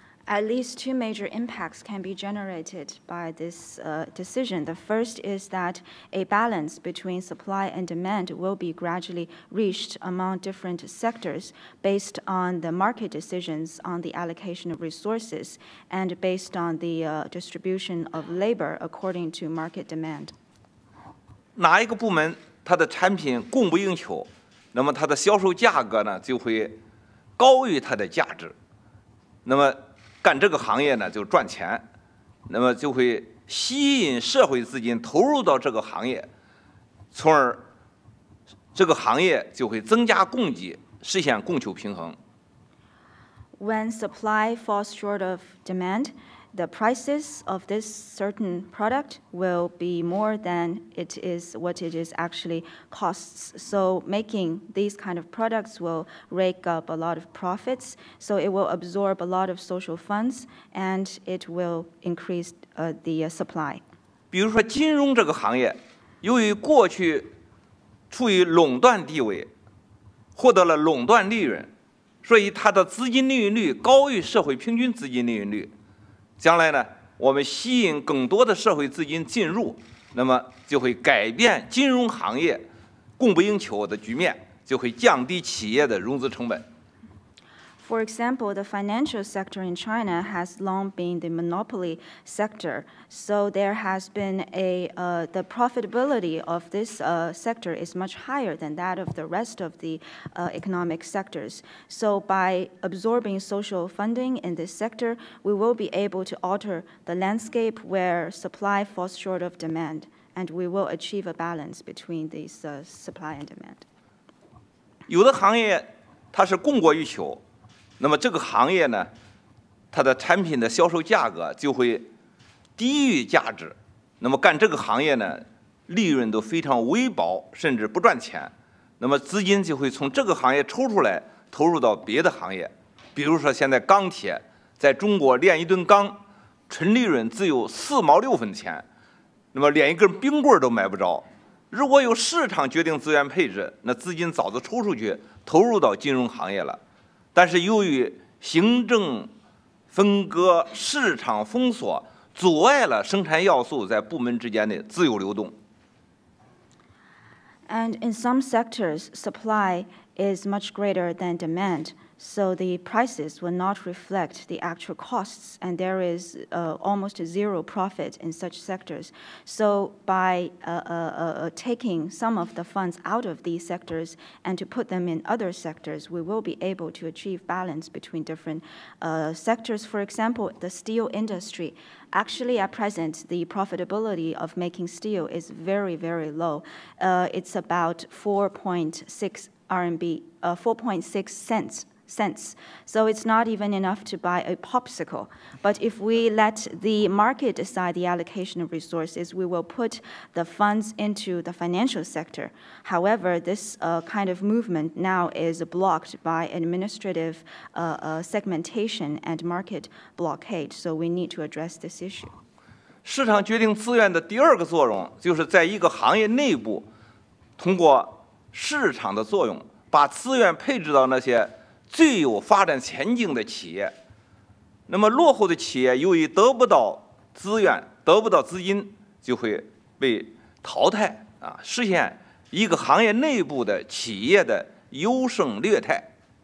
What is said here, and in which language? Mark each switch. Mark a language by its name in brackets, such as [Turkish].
[English] At least 2 major impacts can be generated by this decision. The first is that a balance between supply and demand will be gradually reached among different sectors based on the market decisions on the allocation of resources and based on the distribution of labor according to market demand. [Chinese] 哪一个部门它的产品供不应求，那么它的销售价格呢就会高于它的价值，那么干这个行业呢就赚钱，那么就会吸引社会资金投入到这个行业，从而这个行业就会增加供给，实现供求平衡。 [English] When supply falls short of demand, the prices of this certain product will be more than it is what it is actually costs. So making these kind of products will rake up a lot of profits. So it will absorb a lot of social funds and it will increase the supply. [Chinese] 比如说金融这个行业，由于过去处于垄断地位，获得了垄断利润，所以它的资金利润率高于社会平均资金利润率。将来呢，我们吸引更多的社会资金进入，那么就会改变金融行业供不应求的局面，就会降低企业的融资成本。 [English] For example, the financial sector in China has long been the monopoly sector. So there has been the profitability of this sector is much higher than that of the rest of the economic sectors. So by absorbing social funding in this sector, we will be able to alter the landscape where supply falls short of demand, and we will achieve a balance between these supply and demand. [Chinese] 有的行业它是供过于求，那么这个行业呢，它的产品的销售价格就会低于价值，那么干这个行业呢，利润都非常微薄，甚至不赚钱，那么资金就会从这个行业抽出来，投入到别的行业，比如说现在钢铁，在中国炼一吨钢，纯利润只有4毛6分钱，那么连一根冰棍都买不着，如果有市场决定资源配置，那资金早就抽出去，投入到金融行业了。但是由于行政分割、市场封锁，阻碍了生产要素在部门之间的自由流动。 [English] And in some sectors, supply is much greater than demand, so the prices will not reflect the actual costs, and there is almost zero profit in such sectors. So by taking some of the funds out of these sectors and to put them in other sectors, we will be able to achieve balance between different sectors. For example, the steel industry. Actually, at present, the profitability of making steel is very, very low. It's about 4.6 cents. So it's not even enough to buy a popsicle. But if we let the market decide the allocation of resources, we will put the funds into the financial sector. However, this kind of movement now is blocked by administrative segmentation and market blockade. So we need to address this issue. [Chinese] 市场决定资源的第二个作用，就是在一个行业内部，通过市场的作用，把资源配置到那些最有发展前景的企业，那么落后的企业由于得不到资源、得不到资金，就会被淘汰啊，实现一个行业内部的企业的优胜劣汰。